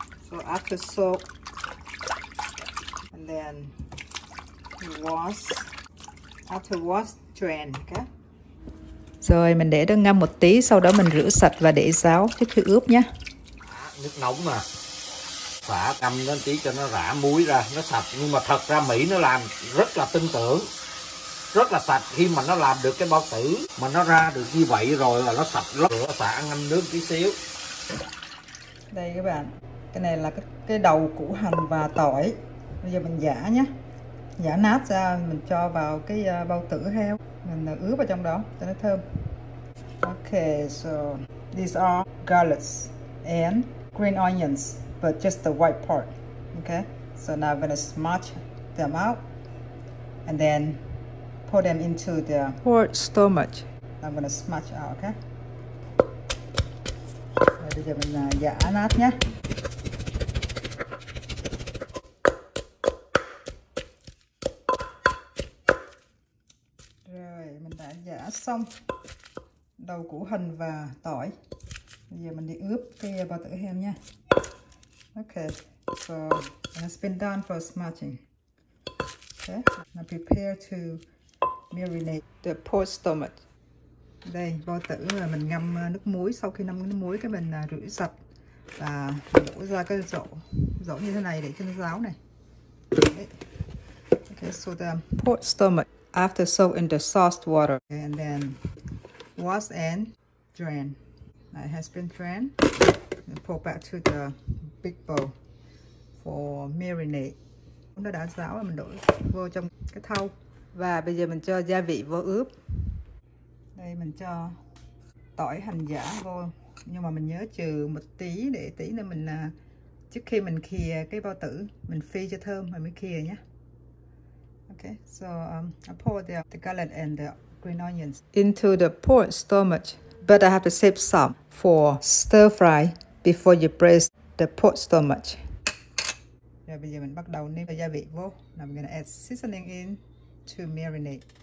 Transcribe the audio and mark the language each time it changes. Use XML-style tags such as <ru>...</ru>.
<en>So after soak, and then wash, after wash, drain. Okay?</en> <vi>Rồi mình để nó ngâm một tí, sau đó mình rửa sạch và để ráo trước khi ướp nhé. Nước nóng mà phả ngâm nó tí cho nó rã muối ra, nó sạch. Nhưng mà thật ra Mỹ nó làm rất là tinh tưởng, rất là sạch. Khi mà nó làm được cái bao tử mà nó ra được như vậy rồi là nó sạch lắm. Rửa xả ngâm nước tí xíu. Đây các bạn, cái này là cái đầu củ hành và tỏi. Bây giờ mình giã nhé, giã nát ra mình cho vào cái bao tử heo, mình ướp vào trong đó cho nó thơm.</vi> <en>Ok, so these are garlics and green onions, but just the white part. Okay, so now I'm gonna smash them out and then pour them into the pork stomach. I'm gonna smash out, okay?</en> <vi>Rồi bây giờ mình giã nát nhé. Rồi mình đã giã xong đầu củ hành và tỏi. Bây giờ mình đi ướp cái bao tử heo nha.</vi> <en>Okay, so it has been done for smashing. Okay, now prepare to marinate the pork stomach.</en> <vi>Đây, bao tử là mình ngâm nước muối. Sau khi ngâm nước muối, cái mình rửa sạch và đổ ra cái rổ, rổ như thế này để cho nó ráo này.</vi> <en>Okay. Okay, so the pork stomach after soak in the sauced water and then wash and drain. It has been drained. And pour back to the big bowl for marinate.</en> <vi>Nó đã ráo rồi, mình đổ vô trong cái thau. Và bây giờ mình cho gia vị vô ướp. Đây mình cho tỏi hành giả vô, nhưng mà mình nhớ trừ một tí để tí nữa mình trước khi mình khìa cái bao tử mình phi cho thơm rồi mới khìa nhé.</vi> <en>Okay, so I pour the garlic and the green onions into the pork stomach, but I have to save some for stir fry before you braise the pork stomach.</en> <vi>Rồi bây giờ mình bắt đầu nêm gia vị vô.</vi> <en>Now we're gonna add seasoning in to marinate.</en>